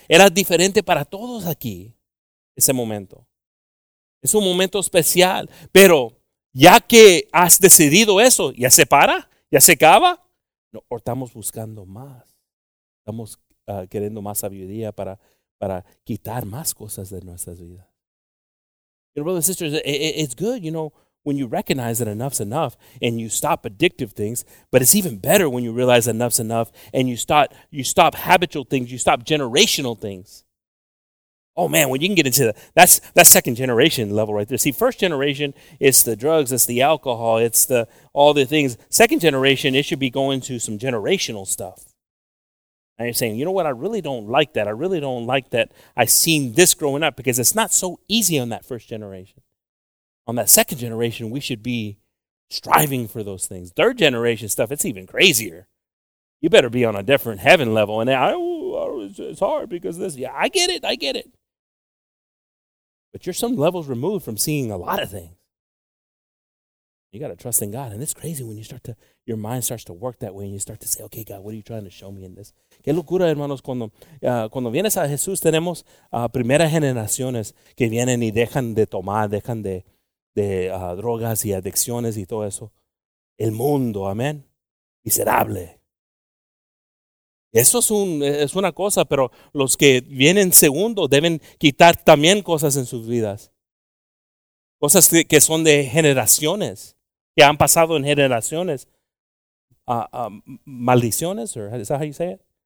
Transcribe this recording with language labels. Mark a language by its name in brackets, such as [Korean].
[Spanish] Era diferente para todos aquí, ese momento. Es un momento especial, pero ya que has decidido eso, ya se para, ya se acaba. No, o estamos buscando más. Estamos queriendo más sabiduría para quitar más cosas de nuestras vidas. [English] Your brothers and sisters, it's good, you know, when you recognize that enough's enough and you stop addictive things, but it's even better when you realize enough's enough and you stop habitual things, you stop generational things. Oh man, when you can get into that's second generation level right there. See, first generation, it's the drugs, it's the alcohol, it's the all the things. Second generation, it should be going to some generational stuff. And you're saying, you know what, I really don't like that. I really don't like that I seen this growing up, because it's not so easy on that first generation. On that second generation, we should be striving for those things. Third generation stuff, it's even crazier. You better be on a different heaven level. And it's hard because this. Yeah, I get it. But you're some levels removed from seeing a lot of things. You got to trust in God. And it's crazy when your mind starts to work that way and you start to say, okay, God, what are you trying to show me in this? [Spanish] Qué locura, hermanos, cuando vienes a Jesús, tenemos primeras generaciones que vienen y dejan de tomar, dejan de drogas y adicciones y todo eso. El mundo, amén. Miserable. Eso es una cosa, pero los que vienen segundo deben quitar también cosas en sus vidas. Cosas que son de generaciones, que han pasado en generaciones. [English] Maldiciones, or is that how you say it?